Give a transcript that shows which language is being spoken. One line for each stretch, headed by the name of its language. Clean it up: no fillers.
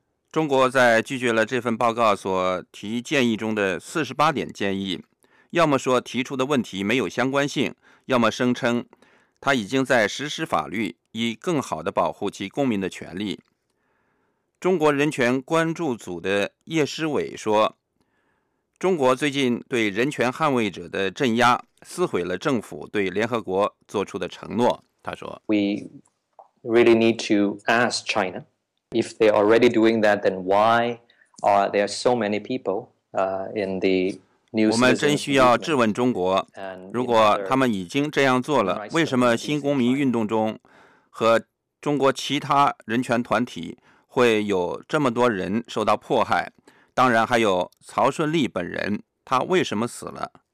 Chinese: 中国在拒绝了这份报告所提建议中的48点建议，要么说提出的问题没有相关性，要么声称他已经在实施法律，以更好地保护其公民的权利。中国人权关注组的叶诗伟说，中国最近对人权捍卫者的镇压撕毁了政府对联合国做出的承诺。他说
English: We really need to ask China, if they're already doing that, then why are there so many people in the news?
Chinese: 我们真需要质问中国，如果他们已经这样做了，为什么新公民运动中和中国其他人权团体会有这么多人受到迫害？当然还有曹顺利本人，他为什么死了？